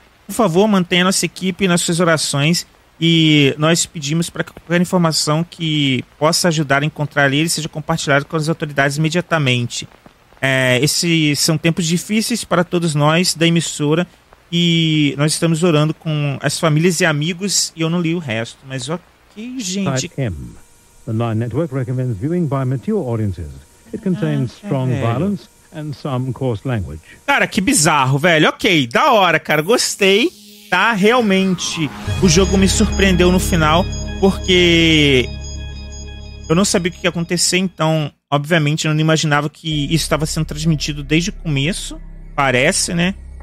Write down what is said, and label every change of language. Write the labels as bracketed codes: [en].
[pt] Por favor, mantenha nossa equipe nas suas orações e nós pedimos para que qualquer informação que possa ajudar a encontrar eles seja compartilhada com as autoridades imediatamente. Esses são tempos difíceis para todos nós da emissora e nós estamos orando com as famílias e amigos e eu não li o resto, mas ok, gente. M. [en] The Nine Network recommends viewing by mature audiences. It contains strong violence and some coarse language. [pt] Cara, que bizarro, velho. Ok, da hora, cara. Gostei, tá? Realmente, o jogo me surpreendeu no final porque eu não sabia o que ia acontecer, então... Obviamente, eu não imaginava que isso estava sendo transmitido desde o começo. Parece, né?